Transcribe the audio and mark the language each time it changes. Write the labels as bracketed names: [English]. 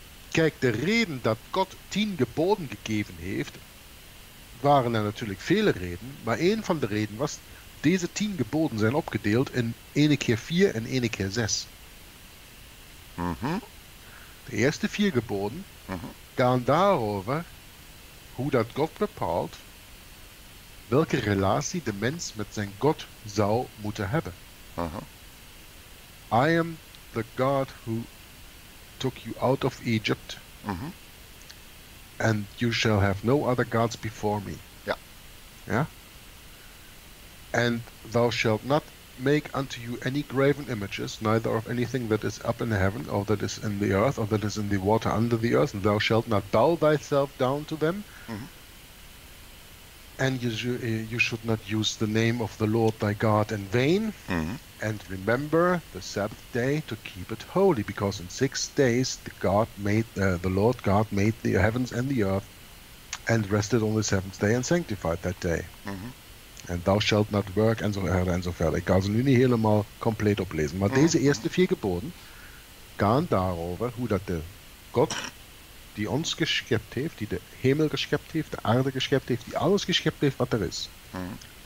[Dutch] Kijk, de reden dat God 10 geboden gegeven heeft, waren er natuurlijk vele redenen, maar een van de redenen was, deze 10 geboden zijn opgedeeld in 1 keer 4 en 1 keer 6. Mm-hmm. De eerste 4 geboden gaan daarover hoe dat God bepaalt welke relatie de mens met zijn God zou moeten hebben. Uh-huh. [English] I am the God who took you out of Egypt, and you shall have no other gods before me. [Dutch] Ja. Ja? [English] And thou shalt not make unto you any graven images, neither of anything that is up in heaven, or that is in the earth, or that is in the water under the earth, and thou shalt not bow thyself down to them, and you should not use the name of the Lord thy God in vain. Mm-hmm. And remember the Sabbath day to keep it holy, because in 6 days the Lord God made the heavens and the earth, and rested on the seventh day and sanctified that day. Mm-hmm. And thou shalt not work, [Dutch] enzovoort. Ik ga ze nu niet helemaal compleet oplezen, maar deze eerste 4 geboden gaan daarover hoe dat de God die ons geschept heeft, die de hemel geschept heeft, de aarde geschept heeft, die alles geschept heeft wat er is. Mm-hmm.